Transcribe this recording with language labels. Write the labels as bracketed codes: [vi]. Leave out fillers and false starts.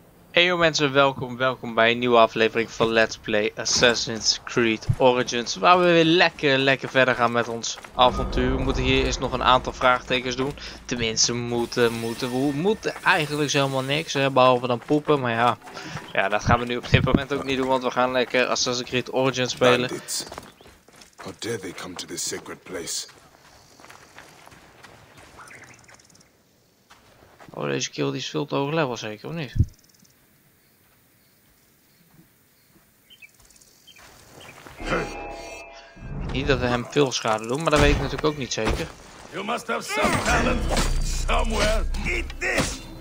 [nl] Hey yo mensen, welkom bij een nieuwe aflevering van Let's Play Assassin's Creed Origins. Waar we weer lekker verder gaan met ons avontuur. We moeten hier eerst nog een aantal vraagtekens doen. Tenminste, we moeten eigenlijk helemaal niks, hè, behalve dan poepen. Maar ja, dat gaan we nu op dit moment ook niet doen, want we gaan lekker Assassin's Creed Origins spelen. [en] Bandits. How dare they come to this sacred place? [nl] Oh, deze kill die is veel te hoog level zeker, of niet? Niet dat we hem veel schade doen, maar dat weet ik natuurlijk ook niet zeker. [en] You must have some talent somewhere. Eat this.